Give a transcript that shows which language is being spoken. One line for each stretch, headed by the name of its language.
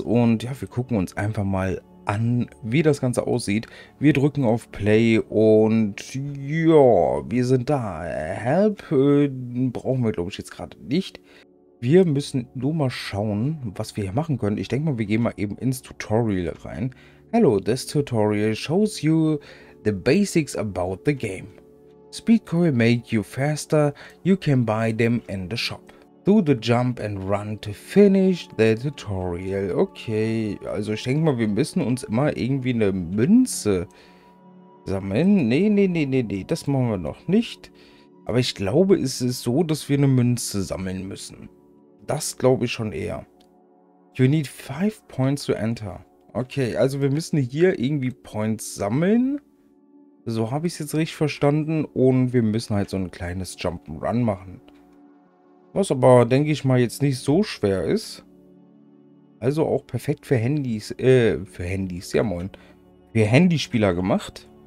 German: Und ja, wir gucken uns einfach mal an, wie das Ganze aussieht. Wir drücken auf Play und ja, wir sind da. Help brauchen wir, glaube ich, jetzt gerade nicht. Wir müssen nur mal schauen, was wir hier machen können. Ich denke mal, wir gehen mal eben ins Tutorial rein.
English: Hello, this tutorial shows you the basics about the game. Speedcoin make you faster, you can buy them in the shop. Do the jump and run to finish the tutorial.
German: Okay, also ich denke mal, wir müssen uns immer irgendwie eine Münze sammeln. Nee, nee, nee, nee, nee, das machen wir noch nicht. Aber ich glaube, es ist so, dass wir eine Münze sammeln müssen. Das glaube ich schon eher.
English: You need 5 points to enter.
German: Okay, also wir müssen hier irgendwie Points sammeln. So habe ich es jetzt richtig verstanden. Und wir müssen halt so ein kleines Jump'n'Run machen. Was aber, denke ich mal, jetzt nicht so schwer ist. Also auch perfekt für Handys. Für Handys, ja moin. Für Handyspieler gemacht.